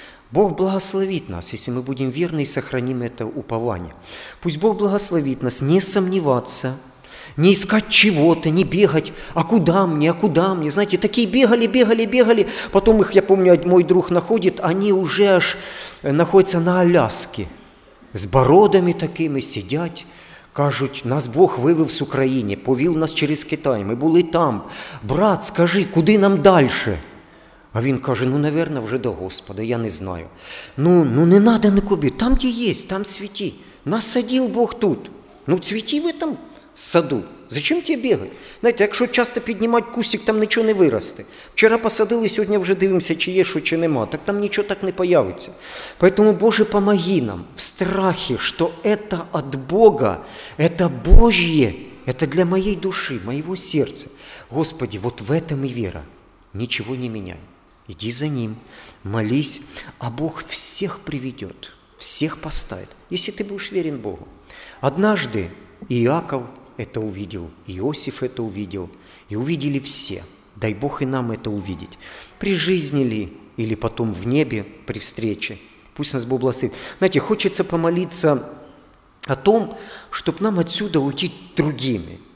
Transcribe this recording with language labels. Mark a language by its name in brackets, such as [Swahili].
[Russian] Бог благословит нас, если мы будем верны и сохраним это упование. Пусть Бог благословит нас не сомневаться, не искать чего-то, не бегать. А куда мне? Знаете, такие бегали. Потом их, я помню, мой друг находит, они уже аж находятся на Аляске. [Ukrainian] З бородами такими сидять, кажуть, нас Бог вивів з України, повів нас через Китай, ми були там. Брат, скажи, куди нам далі? А він каже, наверно, вже до Господа, я не знаю. Не надо нікуди, там, де є, там цвіті. Насадив Бог тут, цвіті [Russian] в этом саду. [Ukrainian] Зачем тебе бігати? Знаєте, якщо часто піднімати кустик, там нічого не виросте. Вчора посадили, сьогодні вже дивимося, чи є що, чи нема. Так там нічого так не появиться. [Russian] Поэтому, Боже, помоги нам [Ukrainian] в страхі, що це від Бога, це Божє, це для моєї душі, моєго серця. Господи, от в цьому і віра. Нічого не міняй. Іди за Ним, молись, а Бог всіх приведе, всіх поставить, якщо ти будеш верен Богу. [Russian] Однажды Иаков это увидел, Иосиф это увидел, и увидели все. Дай Бог и нам это увидеть. При жизни ли, или потом в небе, при встрече. Пусть нас Бог благословит. Знаете, хочется помолиться о том, чтобы нам отсюда уйти другими.